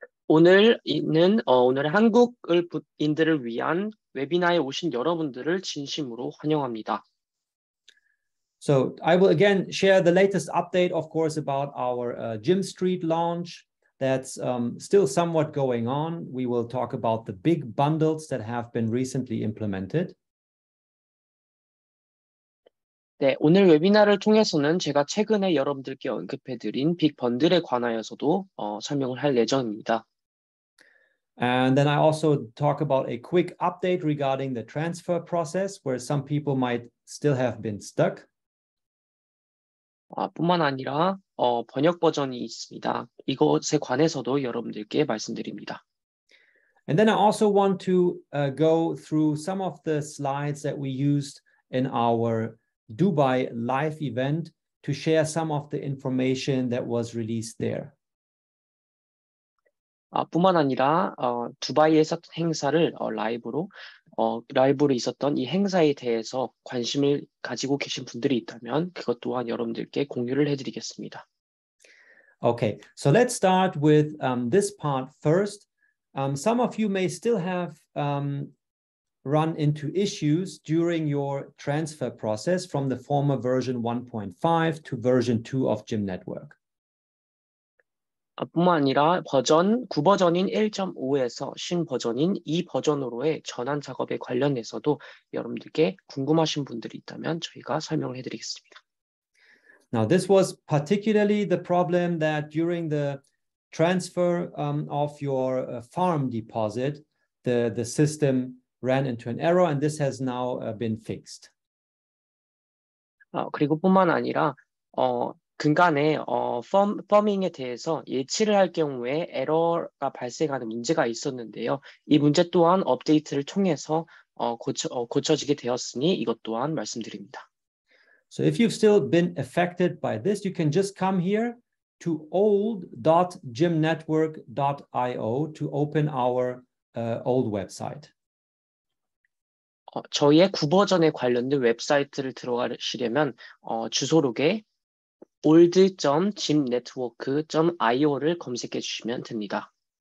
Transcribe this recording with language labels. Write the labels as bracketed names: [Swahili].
[Korean] 오늘은 오늘의 한국인들을 위한 웨비나에 오신 여러분들을 진심으로 환영합니다. [English] So I will again share the latest update, of course, about our Gym Street launch that's still somewhat going on. We will talk about the big bundles that have been recently implemented. [Korean] 네, 오늘 웨비나를 통해서는 제가 최근에 여러분들께 언급해드린 빅 번들에 관하여서도 설명을 할 예정입니다. [English] And then I also talk about a quick update regarding the transfer process where some people might still have been stuck. [Korean] 뿐만 아니라 번역 버전이 있습니다. 이것에 관해서도 여러분들께 말씀드립니다. [English] And then I also want to go through some of the slides that we used in our Dubai live event to share some of the information that was released there. [Korean] 뿐만 아니라 두바이에서 행사를 라이브로 있었던 이 행사에 대해서 관심을 가지고 계신 분들이 있다면 그것 또한 여러분들께 공유를 해드리겠습니다. [English] Okay, so let's start with this part first. Some of you may still have run into issues during your transfer process from the former version 1.5 to version 2 of Gym Network. [Korean] 뿐만 아니라 버전 9버전인 1.5에서 신버전인 2버전으로의 전환 작업에 관련해서도 여러분들께 궁금하신 분들이 있다면 저희가 설명을 해드리겠습니다. [English] Now this was particularly the problem that during the transfer of your farm deposit, the system ran into an error and this has now been fixed. [Korean] 그리고 뿐만 아니라 근간에 펌밍에 대해서 예치를 할 경우에 에러가 발생하는 문제가 있었는데요. 이 문제 또한 업데이트를 통해서 고쳐지게 되었으니 이것 또한 말씀드립니다. [English] So if you've still been affected by this, you can just come here to old.gymnetwork.io to open our old website. [Korean] 저희의 구버전에 관련된 웹사이트를 들어가시려면 주소록에 old.gymnetwork.io를 검색해 주시면 됩니다.